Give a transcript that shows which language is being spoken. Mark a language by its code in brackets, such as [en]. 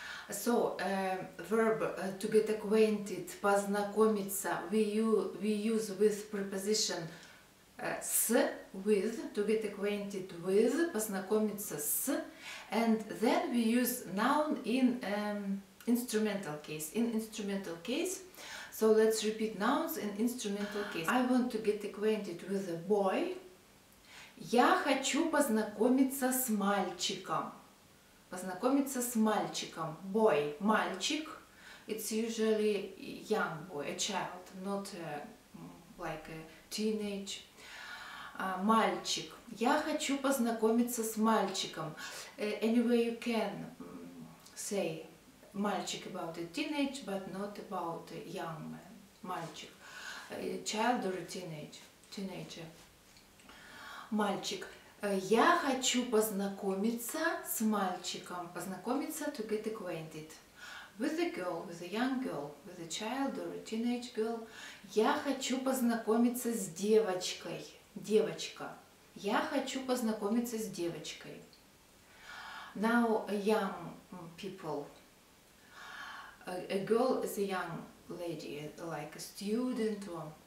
[en] So, verb to get acquainted, познакомиться, we use with preposition с, with, to get acquainted with, познакомиться с, and then we use noun in instrumental case. So let's repeat nouns in instrumental case. I want to get acquainted with a boy. [ru] Я хочу познакомиться с мальчиком. Познакомиться с мальчиком. [en] Boy, мальчик. It's usually young boy, a child, not like a teenage. [ru] Мальчик. Я хочу познакомиться с мальчиком. [en] Anyway, you can say мальчик about a teenage, but not about a young man. Мальчик. A child or a teenager. Мальчик. [ru] Я хочу познакомиться с мальчиком. [en] Познакомиться, to get acquainted. With a girl, with a young girl, with a child or a teenage girl. [ru] Я хочу познакомиться с девочкой. Девочка. Я хочу познакомиться с девочкой. [en] Now, young people. A girl is a young lady, like a student or...